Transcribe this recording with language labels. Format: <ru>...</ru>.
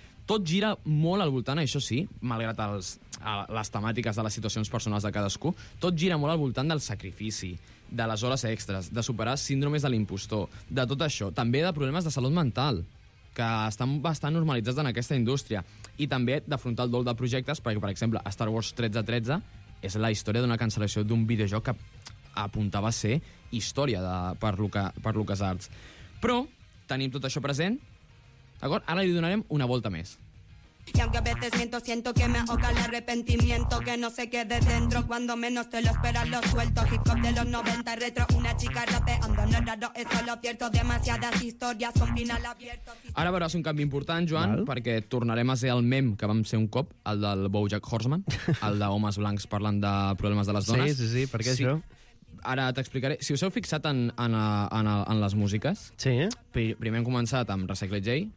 <ca>Tot gira molt al voltant, això sí, malgrat les temàtiques de les situacions personals de cadascú, tot gira molt al voltant del sacrifici, de les hores extres, de superar síndromes de l'impostor, de tot això, també de problemes de salut mental, que estan bastant normalitzats en aquesta indústria, i també d'afrontar el dol de projectes, perquè, per exemple, Star Wars 1313 és la història d'una cancel·lació d'un videojoc que apuntava a ser història per LucasArts. Però tenim tot això present. D'acord? Ara li donarem una volta més.</ca> <es>Y aunque a veces siento que me ahoga el arrepentimiento que no se quede dentro cuando menos te lo esperas lo suelto. Hip hop de los 90 retro, una chica rapeando, no es raro, eso lo cierto. Demasiadas historias con final abierto.</es> <ca>Ara veuràs un canvi important, Joan, perquè tornarem a ser el mem que vam ser un cop, el del BoJack Horseman, el d'homes blancs parlant de problemes de les dones. Sí, sí, sí, perquè sí. Això... ara t'explicaré. Si us heu fixat en les músiques... Sí. Primer hem començat amb Recycle J.</ca>